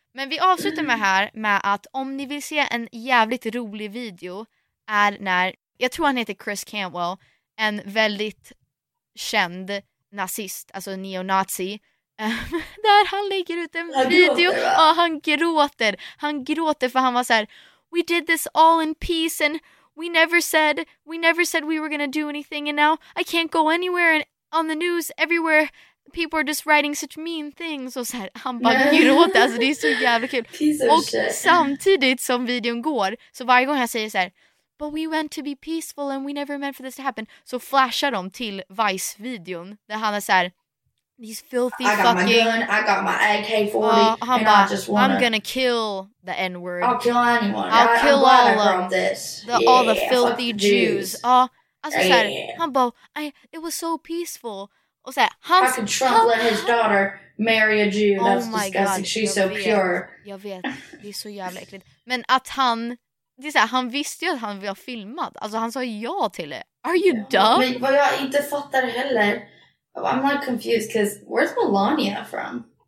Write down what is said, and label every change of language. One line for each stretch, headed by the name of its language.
Swedish: Men vi avslutar med här med att om ni vill se en jävligt rolig video är när, jag tror han heter Chris Cantwell, en väldigt känd nazist, alltså neonazi. Där han lägger ut en video och han gråter. Han gråter för han var så här.
English: We did this all in peace and we never said we were going to do anything, and now I can't go anywhere and on the news everywhere people are just writing such mean things.
Swedish: Och så här, han bara gråter, alltså det är så jävla kul. Och samtidigt som videon går, så varje gång han säger så här,
English: but we went to be peaceful and we never meant for this to happen,
Swedish: så flashar de till Vice-videon där han är så här,
English: these filthy fucking. I got my AK-40. And ba, I just wanna, I'm gonna kill the N-word. I'll kill anyone. I'll kill all the filthy Jews. It was so peaceful.
Swedish: Och så här,
English: how can Trump let his daughter marry a Jew? Oh, that's disgusting. God, she's so pure.
Swedish: Jag vet. Det är så jävla äckligt. Men att han det är så här, han visste ju att han var filmad. Alltså han sa ja till det.
English: Are you dumb?
Swedish: Men vad jag inte fattar heller.
English: I'm not confused because where's Melania from?